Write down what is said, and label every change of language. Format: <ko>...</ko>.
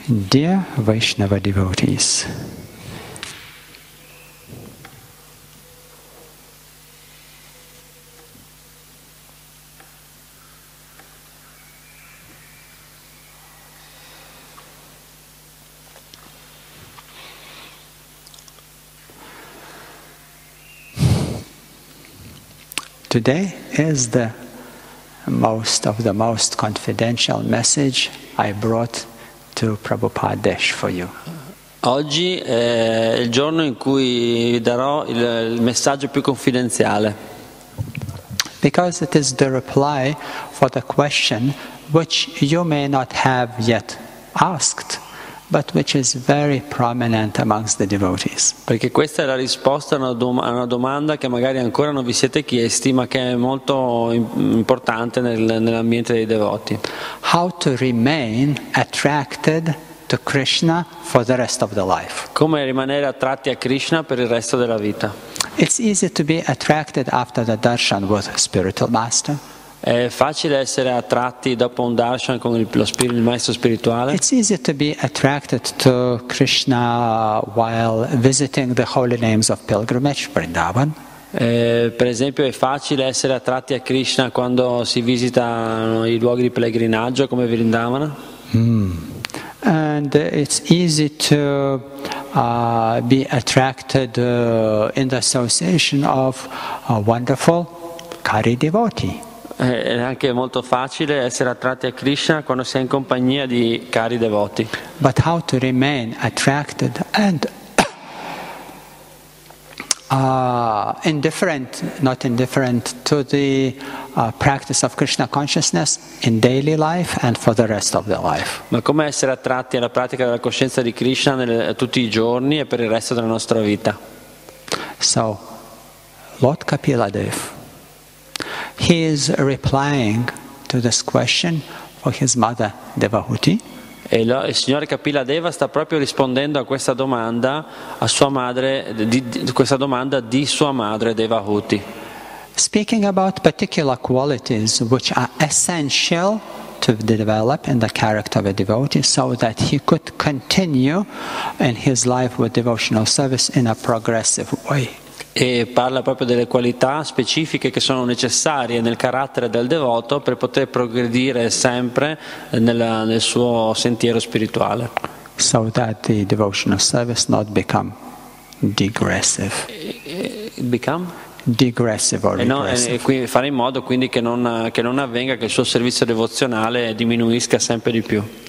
<en>Dear Vaishnava devotees, today is the most of the most confidential message I brought to Prabhupada Desh for you.</en> <it>Oggi è il giorno in cui darò il messaggio più confidenziale.</it> <en>Because it is the reply for the question which you may not have yet asked, but which is very prominent amongst the devotees.</en> <it>Perché questa è la risposta a una domanda che magari ancora non vi siete chiesti, ma che è molto importante nell'ambiente dei devoti.</it> <en>How to remain attracted to Krishna for the rest of the life?</en> <it>Come rimanere attratti a Krishna per il resto della vita?</it> <en>It's easy to be attracted after the darshan with a spiritual master.</en> <it>È facile essere attratti dopo un darshan con il maestro spirituale.</it> <en>It's easy to be attracted to Krishna while visiting the holy names of pilgrimage, Vrindavan.</en> <it>Per esempio, è facile essere attratti a Krishna quando si visitano i luoghi di pellegrinaggio come Vrindavan.</it> <en>And it's easy to be attracted in the association of a wonderful kari devotee.</en> <it>È anche molto facile essere attratti a Krishna quando si è in compagnia di cari devoti.</it> <en>But how to remain attracted and not indifferent to the practice of Krishna consciousness in daily life and for the rest of the life?</en> <it>Ma come essere attratti alla pratica della coscienza di Krishna tutti i giorni e per il resto della nostra vita?</it> <en>So, Lord Kapila Dev, he is replying to this question for his mother Devahuti.</en> <it>E il signor Kapila Deva sta proprio rispondendo a questa domanda a sua madre, questa domanda di sua madre Devahuti.</it> <en>Speaking about particular qualities which are essential to develop in the character of a devotee so that he could continue in his life with devotional service in a progressive way.</en> <it>E parla proprio delle qualità specifiche che sono necessarie nel carattere del devoto per poter progredire sempre nel suo sentiero spirituale.</it> <en>So that the devotional service not become degressive. Become? Degressive or regressive.</en> <it>E fare in modo quindi che non avvenga che il suo servizio devozionale diminuisca sempre di più.</it>